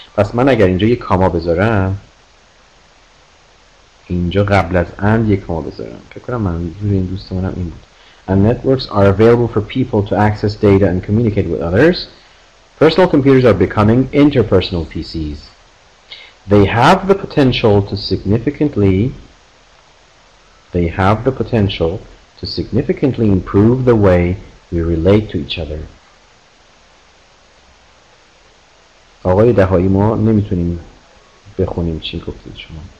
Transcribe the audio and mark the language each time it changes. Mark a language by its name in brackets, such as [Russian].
[Persian] پس من اگر اینجا یک کاما بذارم، اینجا قبل از اند یک کاما بذارم، فکر کنم من روی این دوستمونم این بود. [English] And networks are available for people to access data and communicate with others. Personal computers are becoming interpersonal PCs. They have the potential to significantly improve the way we relate to each other. [Persian] آقای دهایی ما نمیتونیم بخونیم چی گفتید شما.